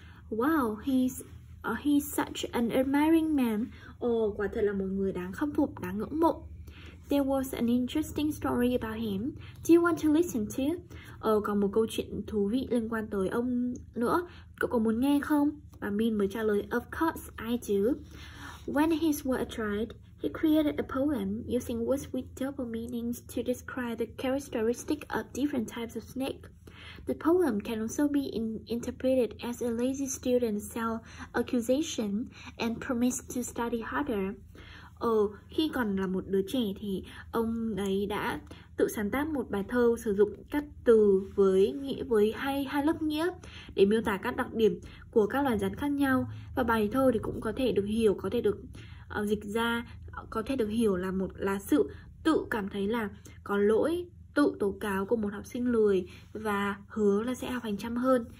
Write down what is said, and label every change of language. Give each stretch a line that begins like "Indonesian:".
English: Wow, he's such an admiring man.
Vietnamese: Quả thật là một người đáng khâm phục, đáng ngưỡng mộ.
English: There was an interesting story about him. Do you want to listen to?
Vietnamese: Còn một câu chuyện thú vị liên quan tới ông nữa. Cậu có muốn nghe không? Và Min mới trả lời,
English: of course I do. When he was a child, he created a poem using words with double meanings to describe the characteristic of different types of snake. The poem can also be interpreted as a lazy student self-accusation and promise to study harder.
Vietnamese: Khi còn là một đứa trẻ thì ông ấy đã tự sáng tác một bài thơ sử dụng các từ với nghĩa với hai lớp nghĩa để miêu tả các đặc điểm của các loài rắn khác nhau, và bài thơ thì cũng có thể được hiểu, có thể được dịch ra, có thể được hiểu là một là sự tự cảm thấy là có lỗi, tự tố cáo của một học sinh lười và hứa là sẽ học hành chăm hơn.